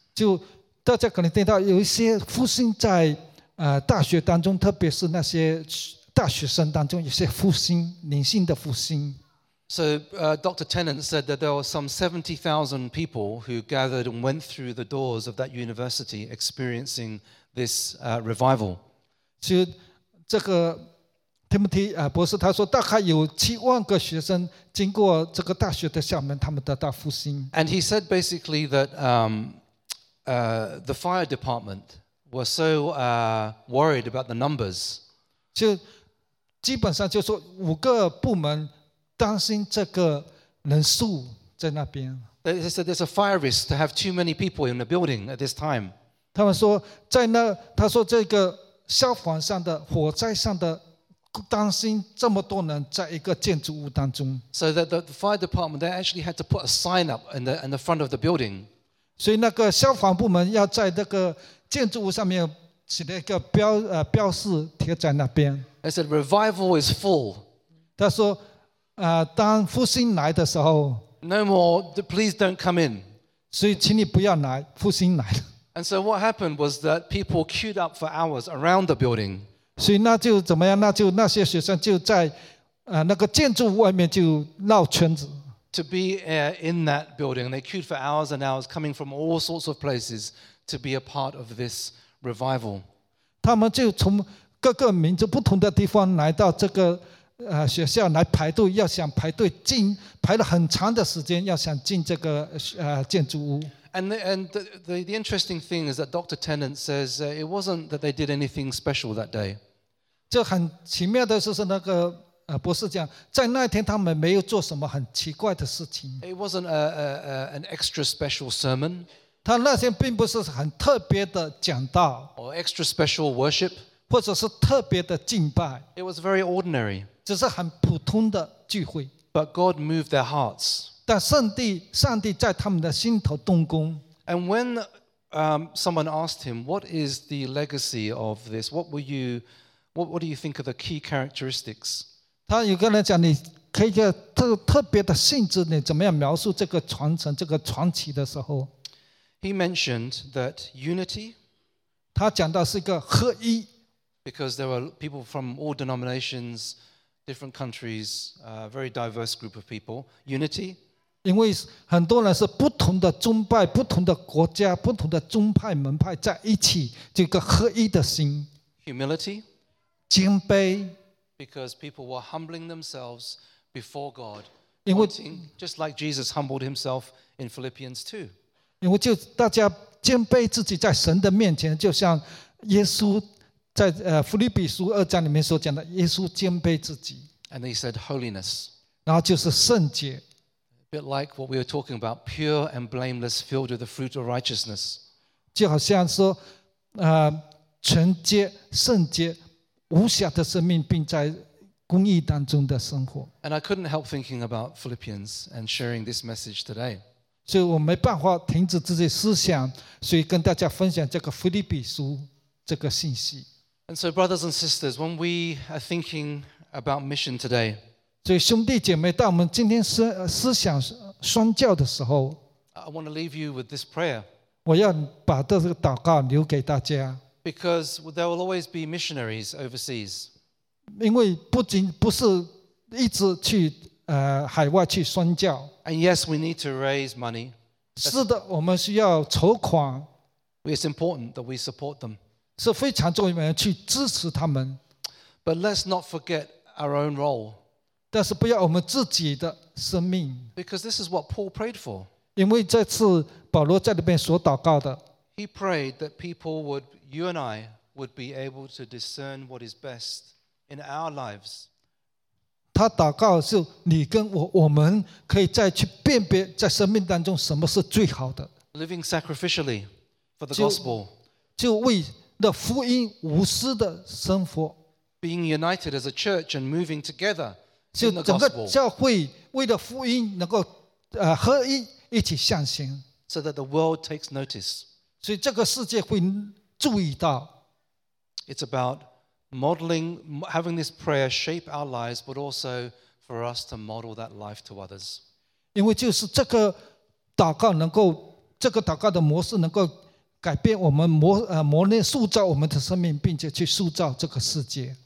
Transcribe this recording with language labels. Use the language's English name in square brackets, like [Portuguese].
[Chinese] 就大家可能听到有一些复兴在大学当中，特别是那些大学生当中，有些复兴，灵性的复兴。 [English] So Dr. Tennant said that there were some 70,000 people who gathered and went through the doors of that university experiencing this revival. [Chinese] 就这个 Timothy 博士他说大概有70,000个学生经过这个大学的校门，他们得到复兴。 [English] And he said basically that the fire department were so worried about the numbers. [Chinese] 就基本上就说五个部门担心这个人数在那边。 [English] They said there's a fire risk to have too many people in the building at this time. [Chinese] 他们说在那，他说这个消防上的火灾上的担心这么多人在一个建筑物当中。 [English] So that the fire department, they actually had to put a sign up in the front of the building. [Chinese] 所以那个消防部门要在那个建筑物上面写了一个标示贴在那边。 [English] They said revival is full. [Chinese] 他说当复兴来的时候。 [English] No more, please don't come in. [Chinese] 所以请你不要来，复兴来了。 [English] And so what happened was that people queued up for hours around the building. [Chinese] 所以那就怎么样？那就那些学生就在那个建筑外面就绕圈子。 [English] To be in that building, they queued for hours and hours, coming from all sorts of places to be a part of this revival. [Chinese] 他们就从各个民族不同的地方来到这个学校来排队，要想排队进，排了很长的时间，要想进这个建筑物。 [English] And the interesting thing is that Dr. Tennant says it wasn't that they did anything special that day. [Chinese] 这很奇妙的是那个博士讲，在那天他们没有做什么很奇怪的事情。 [English] It wasn't an extra special sermon. [Chinese] 他那天并不是很特别的讲道。 [English] Or extra special worship. [Chinese] 或者是特别的敬拜。 [English] It was very ordinary. [Chinese] 只是很普通的聚会。 [English] But God moved their hearts. [Chinese] 但上帝在他们的心头动工。 [English] And when someone asked him, "What is the legacy of this? What were you? What do you think of the key characteristics?" [Chinese] 他有个人讲，你可以特别的性质，你怎么样描述这个传承、这个传奇的时候 [English] ？He mentioned that unity. [Chinese] 他讲到是一个合一。 [English] Because there were people from all denominations, different countries, a very diverse group of people. Unity. [Chinese] 因为很多人是不同的宗派、不同的国家、不同的宗派门派在一起，这个合一的心。 [English] Humility, [Chinese] 谦卑。 [English] Because people were humbling themselves before God, wanting, just like Jesus humbled himself in Philippians 2. [Chinese] 因为就大家谦卑自己在神的面前，就像耶稣在腓立比书二章里面所讲的，耶稣谦卑自己。 [English] And he said holiness. [Chinese] 然后就是圣洁。 [English] Bit like what we were talking about, pure and blameless, filled with the fruit of righteousness. [Chinese] 就好像说，纯洁、圣洁、无瑕的生命，并在公义当中的生活。 [English] And I couldn't help thinking about Philippians and sharing this message today. [Chinese] 所以我没办法停止自己思想，所以跟大家分享这个腓立比书这个信息。 [English] And so, brothers and sisters, when we are thinking about mission today. [Chinese] 所以兄弟姐妹，当我们今天思想宣教的时候， [English] I want to leave you with this prayer. [Chinese] 我要把这个祷告留给大家。 [English] Because there will always be missionaries overseas. [Chinese] 因为不仅不是一直去海外去宣教。 [English] And yes, we need to raise money. [Chinese] 是的，我们需要筹款。 [English] It's important that we support them. [Chinese] 是非常重要的去支持他们。 [English] But let's not forget our own role. [Chinese] 但是不要我们自己的生命。 [English] Because this is what Paul prayed for. [Chinese] 因为这次保罗在里面所祷告的。 [English] He prayed that people would, you and I, would be able to discern what is best in our lives. [Chinese] 他祷告是你跟我，我们可以再去辨别在生命当中什么是最好的。 [English] Living sacrificially for the gospel. [Chinese] 就为那福音无私的生活。 [English] Being united as a church and moving together. [Chinese] 就整个教会为了福音能够合一，一起向前。 [English] So that the world takes notice. [Chinese] 所以这个世界会注意到。 [English] It's about modeling, having this prayer shape our lives, but also for us to model that life to others. [Chinese] 因为就是这个祷告能够，这个祷告的模式能够改变我们，磨练塑造我们的生命，并且去塑造这个世界。